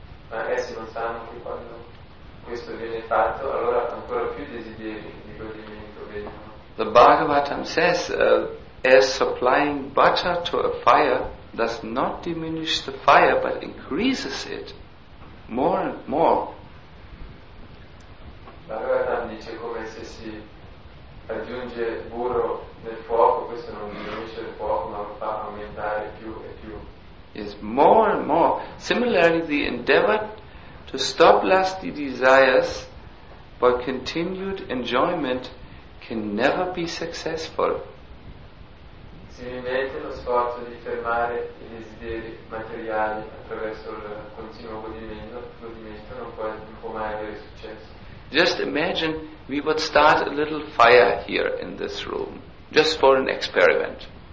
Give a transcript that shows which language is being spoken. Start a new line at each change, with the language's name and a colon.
Italian: Ma essi non sanno che quando questo viene fatto, allora ancora più desideri di godimento vengono.
English: The Bhagavatam says, as supplying butter to a fire does not diminish the fire but increases it more and more.
Italian: Bhagavatam dice come se si aggiunge burro nel fuoco, questo non diminuisce il fuoco ma lo fa aumentare più e più.
English: Is more and more. Similarly, the endeavor to stop lusty desires But continued enjoyment can never be successful.
Italian: Similmente, lo sforzo di fermare i desideri materiali attraverso il continuo godimento non può mai avere successo.
English: Just imagine we would start a little fire here in this room, just for an experiment.